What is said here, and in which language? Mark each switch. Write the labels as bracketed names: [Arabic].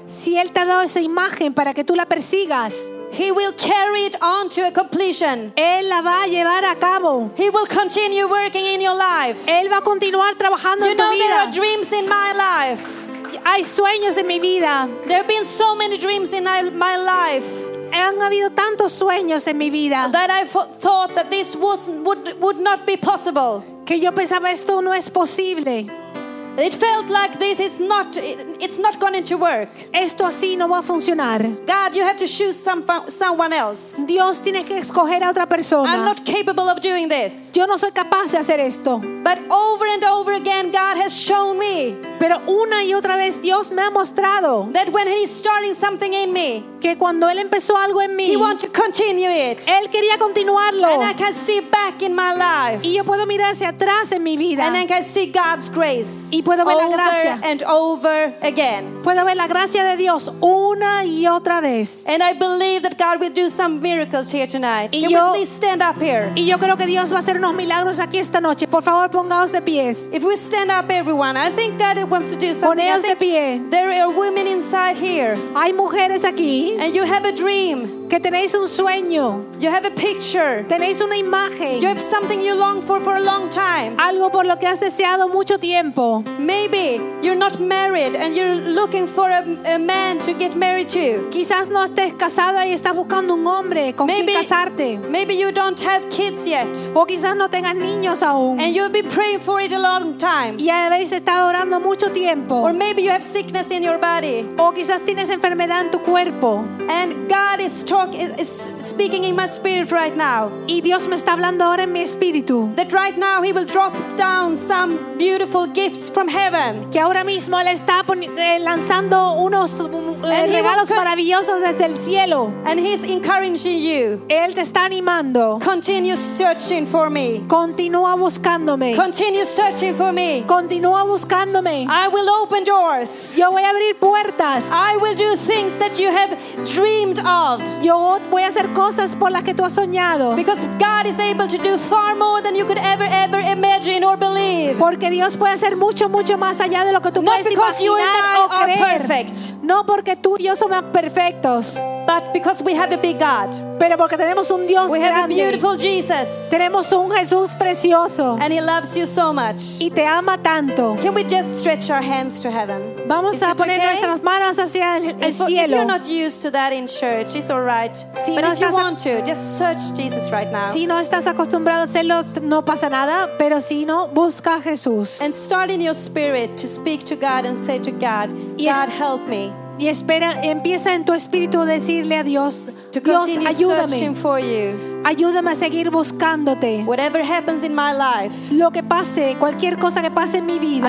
[Spanish] Si él te ha dado esa imagen para que tú la persigas. [English] He will carry it on to a completion. [Spanish] Él la va a llevar a cabo. [English] He will continue working in your life. [Spanish] Él va a continuar trabajando en tu vida. [English] You know, there are dreams in my life. [Spanish] Hay sueños en mi vida. [English] There have been so many dreams in my life. [Spanish] Han habido tantos sueños en mi vida. [English] That I thought that this would not be possible. [Spanish] Que yo pensaba esto no es posible. [English] It felt like this is not—it's not going to work. [Spanish] Esto así no va a funcionar. [English] God, you have to choose someone else. [Spanish] Dios tiene que escoger a otra persona. [English] I'm not capable of doing this. [Spanish] Yo no soy capaz de hacer esto. [English] But over and over again, God has shown me. [Spanish] Pero una y otra vez Dios me ha mostrado [English] that when He's starting something in me, [Spanish] que cuando él empezó algo en mí, [English] He wants to continue it. [Spanish] Él quería continuarlo. [English] And I can see back in my life. [Spanish] Y yo puedo mirar hacia atrás en mi vida. [English] And I can see God's grace. [Spanish] Y puedo ver la gracia. [English] Over and over again. [Spanish] Puedo ver la gracia de Dios una y otra vez. [English] And I believe that God will do some miracles here tonight. Can you please stand up here? [Spanish] Y yo creo que Dios va a hacer unos milagros aquí esta noche. Por favor, pongaos de pie. [English] If we stand up, everyone, I think God wants to do something. [Spanish] Poneos de pie. [English] There are women inside here. [Spanish] Hay mujeres aquí. [English] And you have a dream. [Spanish] Que tenéis un sueño. [English] You have a picture. [Spanish] Tenéis una imagen. [English] You have something you long for a long time. [Spanish] Algo por lo que has deseado mucho tiempo. [English] Maybe you're not married and you're looking for a man to get married to. [Spanish] Quizás no estés casada y estás buscando un hombre con quien casarte. [English] Maybe you don't have kids yet. [Spanish] O quizás no tengas niños aún. [English] And you've been praying for it a long time. [Spanish] Y habéis estado orando mucho tiempo. [English] Or maybe you have sickness in your body. [Spanish] O quizás tienes enfermedad en tu cuerpo. [English] And God is speaking in my spirit right now. [Spanish] Y Dios me está hablando ahora en mi espíritu. [English] That right now He will drop down some beautiful gifts from heaven. [Spanish] Que ahora mismo él está lanzando unos regalos maravillosos desde el cielo. [English] And He's encouraging you. [Spanish] Él te está animando. [English] Continue searching for me. [Spanish] Continúa buscándome. [English] Continue searching for me. [Spanish] Continúa buscándome. [English] I will open doors. [Spanish] Yo voy a abrir puertas. [English] I will do things that you have dreamed of. [Spanish] Yo voy a hacer cosas por las que tú has soñado. [English] Because God is able to do far more than you could ever imagine or believe. [Spanish] Porque Dios puede hacer mucho mucho más allá de lo que tú puedes imaginar o creer. No porque tú y yo somos perfectos. [English] But because we have a big God. [Spanish] Pero porque tenemos un Dios grande. [English] We have a beautiful Jesus. [Spanish] Tenemos un Jesús precioso. [English] And He loves you so much. [Spanish] Y te ama tanto. [English] Can we just stretch our hands to heaven? [Spanish] Vamos a poner nuestras manos hacia el cielo. [English] If you're not used to that in church, it's all right. [Spanish] Si [English] but [Spanish] no [English] if you want to, just search Jesus right now. [Spanish] Si no estás acostumbrado a hacerlo, no pasa nada. Pero si no, busca a Jesús. [English] And start in your spirit to speak to God and say to God, God help me. [Spanish] Y espera, empieza en tu espíritu a decirle a Dios, Dios, ayúdame. Ayúdame a seguir buscándote. [English] Whatever happens in my life, [Spanish] lo que pase, cualquier cosa que pase en mi vida.